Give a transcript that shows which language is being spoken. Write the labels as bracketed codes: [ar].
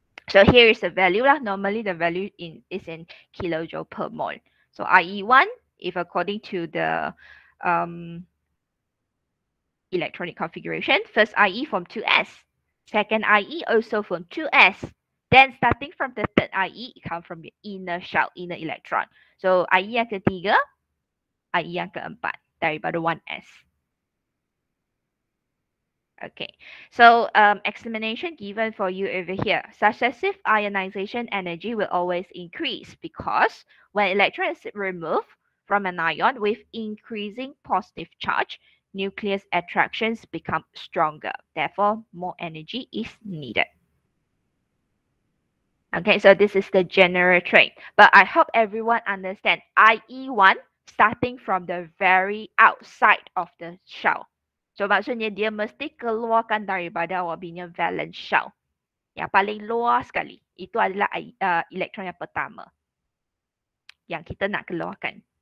[en] So here is the value lah. Normally the value is in kilojoule per mole. So IE1, if according to the electronic configuration, first IE from 2s, second IE also from 2s, then starting from the third IE, come from your inner shell, inner electron. [ms] So IE yang ketiga, IE yang keempat, daripada 1s. [en] Okay, so explanation given for you over here. Successive ionization energy will always increase because when electron is removed from an ion with increasing positive charge, nucleus attractions become stronger. Therefore, more energy is needed. Okay, so this is the general trait. But I hope everyone understand IE1 starting from the very outside of the shell. [ms] So maksudnya dia mesti keluarkan daripada awak punya valence shell. Yang paling luar sekali. Itu adalah elektron yang pertama yang kita nak keluarkan.